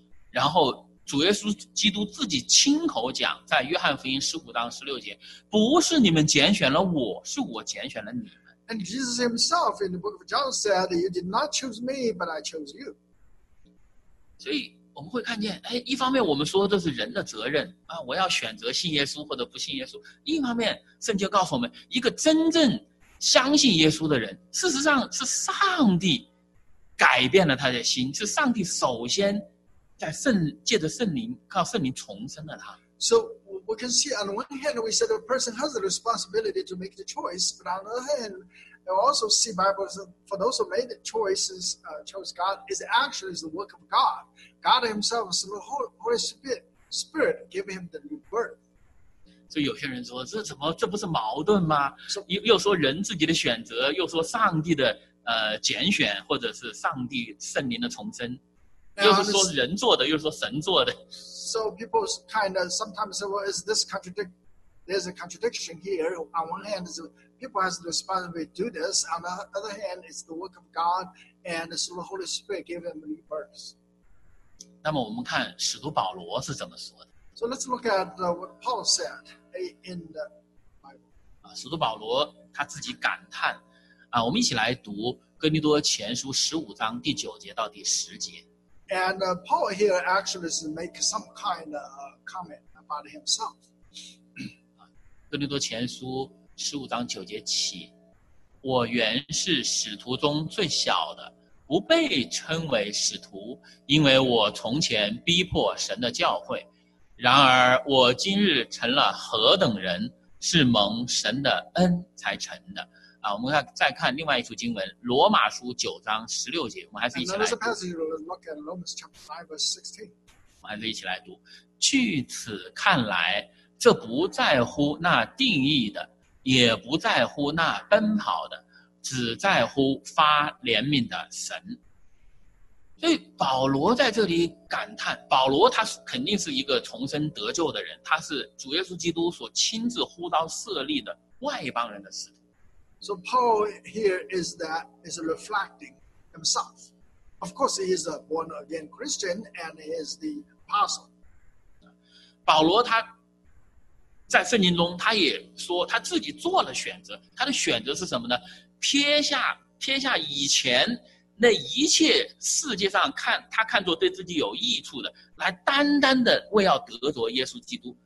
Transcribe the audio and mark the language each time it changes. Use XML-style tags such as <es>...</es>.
<zh>然后主耶稣基督自己亲口讲，在约翰福音15:16，不是你们拣选了我，是我拣选了你们。</zh> <en>And Jesus himself in the book of John said, you did not choose me, but I chose you.</en> <zh>所以我们会看见，哎，一方面我们说这是人的责任啊，我要选择信耶稣或者不信耶稣；另一方面，圣经告诉我们，一个真正相信耶稣的人，事实上是上帝改变了他的心，是上帝首先在借着圣灵，靠圣灵重生了他。</zh> <en>So we can see on one hand we said a person has the responsibility to make the choice, but on the other hand, we also see Bible for those who made the choices, chose God is actually the work of God. God himself, the Holy Spirit, give him the new birth.</en> <zh>所以有些人说，这怎么，这不是矛盾吗？又说人自己的选择，又说上帝的拣选，或者是上帝圣灵的重生，又是说人做的，又说神做的。</zh> <en>so people's kind of sometimes say, well, is this contradict? There's a contradiction here. On one hand, people have the responsibility to do this. On the other hand, it's the work of God, and it's the Holy Spirit giving them new births.</en> <zh>那么我们看使徒保罗是怎么说的。</zh> <en>So let's look at what Paul said in the Bible.</en> <zh>使徒保罗他自己感叹，我们一起来读哥林多前书十五章第九节到第十节。</zh> <en>And Paul here actually is make some kind of comment about himself.</en> <zh>哥林多前书十五章九节起，我原是使徒中最小的。不被称为使徒，因为我从前逼迫神的教会。然而我今日成了何等人，是蒙神的恩才成的。我们再看另外一处经文，罗马书九章十六节，我们还是一起来读。</zh> <en>Another passage, look at Romans chapter 5, verse 16.</en> <zh>我们还是一起来读。据此看来，这不在乎那定义的，也不在乎那奔跑的，只在乎发怜悯的神。所以保罗在这里感叹，保罗他肯定是一个重生得救的人，他是主耶稣基督所亲自呼召设立的外邦人的使徒。</zh> <en>So Paul here is reflecting himself. Of course, he is a born again Christian and he is the apostle.</en> <zh>保罗他在圣经中他也说他自己做了选择，他的选择是什么呢？撇下以前那一切世界上看他看作对自己有益处的，来单单的为要得着耶稣基督。</zh>